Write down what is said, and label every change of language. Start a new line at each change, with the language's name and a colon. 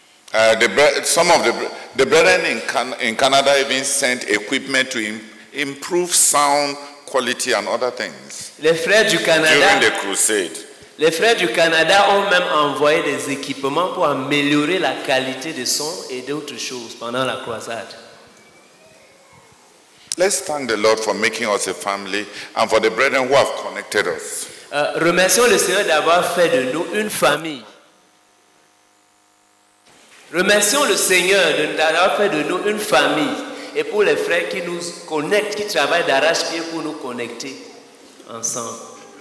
English: The brethren in Canada even sent equipment to improve sound quality and other things.
French: Les frères du Canada,
English: during the crusade.
French: Les frères du Canada ont même envoyé des équipements pour améliorer la qualité de son et d'autres choses pendant la croisade.
English: Let's thank the Lord for making us a family and for the brethren who have connected us.
French: Remercions le Seigneur d'avoir fait de nous une famille. Remercions le Seigneur d'avoir fait de nous une famille et pour les frères qui nous connectent, qui travaillent d'arrache-pied pour nous connecter ensemble.